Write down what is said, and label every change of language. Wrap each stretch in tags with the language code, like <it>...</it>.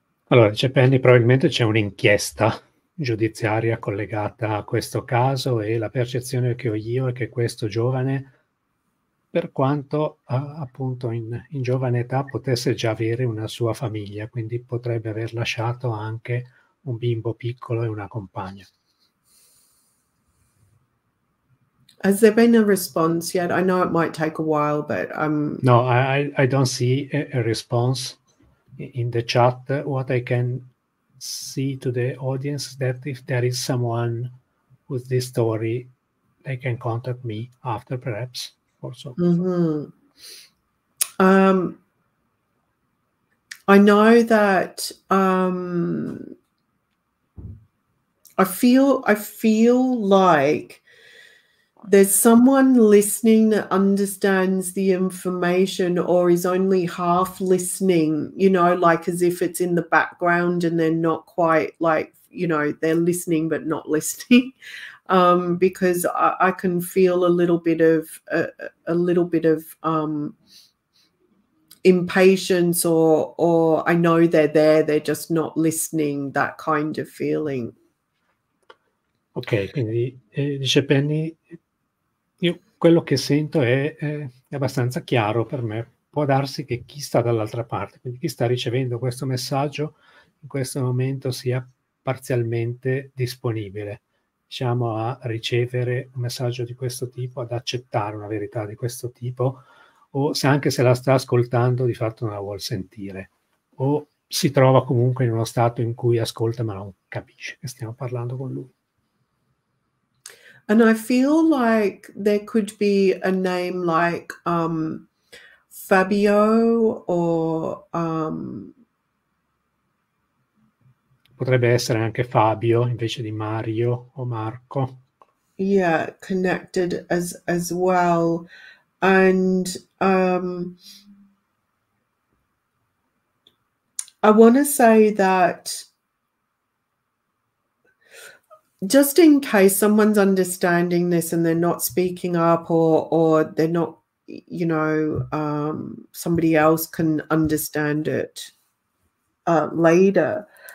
<it>Allora, dice Penny, probabilmente c'è un'inchiesta giudiziaria collegata a questo caso, e la percezione che ho io è che questo giovane, per quanto appunto in giovane età, potesse già avere una sua famiglia, quindi potrebbe aver lasciato anche un bimbo piccolo e una compagna.</it> <en>Has there been a response yet? I know it might take a while, but No, I don't see a response in the chat. What I can see to the audience that if there is someone with this story, they can contact me after, perhaps, also. Mm-hmm. I know that I feel like there's someone listening that understands the information, or is only half listening, you know, like as if it's in the background and they're not quite, like, you know, they're listening but not listening, because I can feel a little bit of impatience, or I know they're there, they're just not listening, that kind of feeling.</en> <it>Okay, quindi dice Penny, io quello che sento è abbastanza chiaro per me. Può darsi che chi sta dall'altra parte, quindi chi sta ricevendo questo messaggio in questo momento, sia parzialmente disponibile, diciamo, a ricevere un messaggio di questo tipo, ad accettare una verità di questo tipo, o se anche se la sta ascoltando di fatto non la vuol sentire, o si trova comunque in uno stato in cui ascolta ma non capisce che stiamo parlando con lui.</it> <en>And I feel like there could be a name like Fabio or</en> <it>potrebbe essere anche Fabio invece di Mario o Marco.</it> <en>Yeah, connected as well. And I want to say that just in case someone's understanding this and they're not speaking up, or they're not, you know, somebody else can understand it later.</en>